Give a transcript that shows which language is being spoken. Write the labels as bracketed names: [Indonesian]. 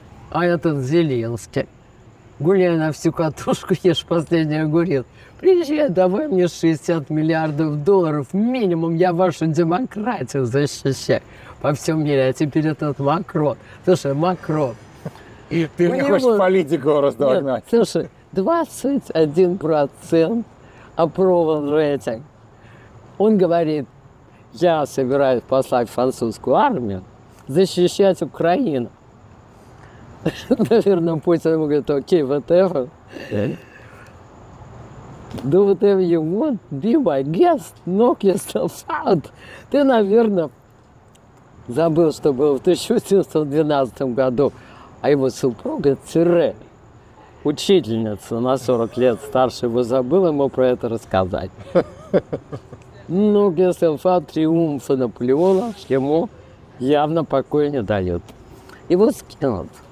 [Russian] А этот Зеленский, гуляя на всю катушку, ешь последний огурец. Приезжай, давай мне 60 миллиардов долларов минимум, я вашу демократию защищаю по всем миру. А теперь этот Макрон. Слушай, Макрон. И ты не хочешь политику раздогнать. Слушай, 21% [English] approval rating. [Russian] Он говорит, я собираюсь послать французскую армию защищать Украину. Наверное, Путин ему говорит, окей, [English] whatever. Do whatever you want, be my guest, knock yourself out. [Russian] Ты, наверное, забыл, что было в 1812 году, а его супруга Цюре, учительница на 40 лет старше, его забыл ему про это рассказать. [English] Knock yourself out, [Russian] триумфа Наполеона ему явно покоя не дает. Его скинут.